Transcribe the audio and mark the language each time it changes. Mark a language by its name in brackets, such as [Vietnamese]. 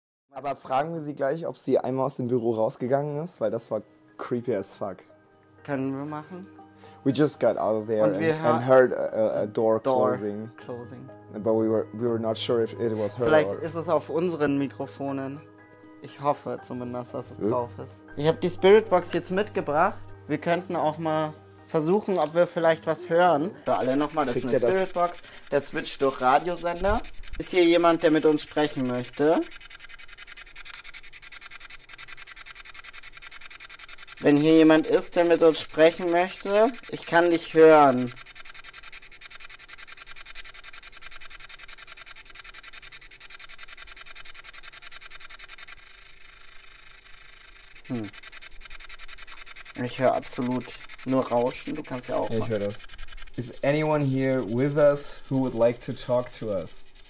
[German] Aber fragen wir sie gleich, ob sie einmal aus dem Büro rausgegangen ist, weil das war [English] creepy as fuck. [German] Können wir machen? [English] We just got out of there and heard a door closing. Closing. But we were not sure if it was her. [German] Vielleicht [English] or [German] ist es auf unseren Mikrofonen. Ich hoffe zumindest, dass es drauf ist. Ich habe die Spiritbox jetzt mitgebracht. Wir könnten auch mal versuchen, ob wir vielleicht was hören. Da alle nochmal, das ist eine Spiritbox. Der switcht durch Radiosender. Ist hier jemand, der mit uns sprechen möchte? Wenn hier jemand ist, der mit uns sprechen möchte, ich kann dich hören. Ich höre absolut nur Rauschen, du kannst ja auch hören. Ich höre das. [English] Is anyone here with us who would like to talk to us?